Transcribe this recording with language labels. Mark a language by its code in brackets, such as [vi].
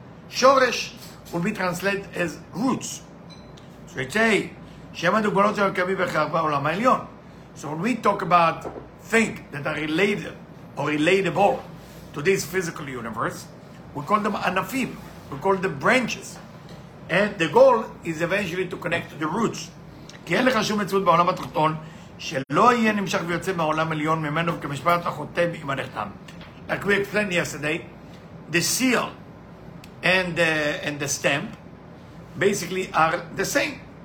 [en] Shoresh will be translated as roots. So it says, [he] Shema dugbalot shel kavi v'charpa olam ha'elyon. [en] So when we talk about things that are related or relatable to this physical universe, we call them anafim. We call the branches. And the goal is eventually to connect to the roots. [he] כי אין לך שום מצוות בעולם התחתון שלא יהיה נמשך ויוצא מהעולם עליון ממנו כמשפט החותם עם הנחתם. [en] Like we explained yesterday, the seal and the stamp basically are the same.